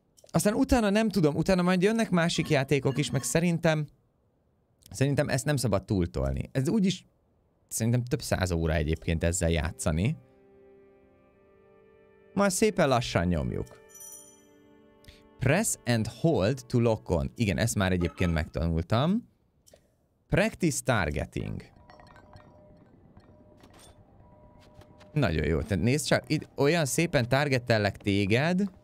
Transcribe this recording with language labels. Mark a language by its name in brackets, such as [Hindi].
[Hungarian] Aztán utána nem tudom, utána majd jönnek másik játékok is, meg szerintem... Szerintem ezt nem szabad túltolni. Ez úgyis... Szerintem több száz óra egyébként ezzel játszani. Majd szépen lassan nyomjuk. [English] Press and hold to lock on. [Hungarian] Igen, ezt már egyébként megtanultam. [English] Practice targeting. [Hungarian] Nagyon jó, tehát nézd csak, itt olyan szépen targetellek téged.